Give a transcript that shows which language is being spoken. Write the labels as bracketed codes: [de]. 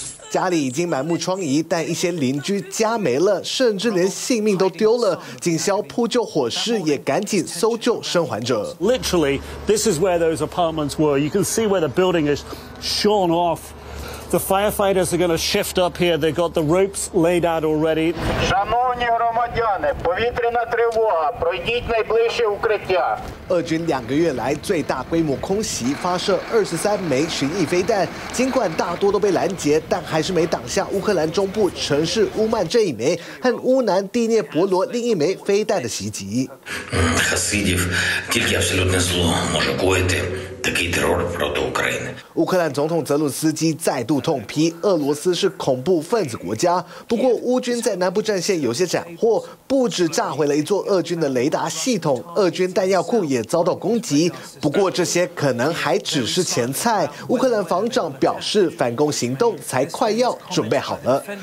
[zh] 家里已经满目疮痍，但一些邻居家没了，甚至连性命都丢了。警消扑救火势，也赶紧搜救生还者。 [en] Literally, this is where those apartments were. You can see where the building is shorn off. The firefighters are going to shift up here. They've got the ropes laid out already. [uk] Шановні громадяни, повітряна тривога. Пройдіть найближче укриття. [zh] 俄军两个月来最大规模空袭，发射23枚巡弋飞弹。尽管大多都被拦截，但还是没挡下乌克兰中部城市乌曼这一枚和乌南第聂伯罗另一枚飞弹的袭击。 [uk] Хасидів тільки абсолютне зло може коїти такий терор проти України. [zh] 乌克兰总统泽伦斯基再度痛批俄罗斯是恐怖分子国家。不过乌军在南部战线有些斩获，不止炸毁了一座俄军的雷达系统，俄军弹药库也遭到攻击。不过这些可能还只是前菜。乌克兰防长表示，反攻行动才快要准备好了。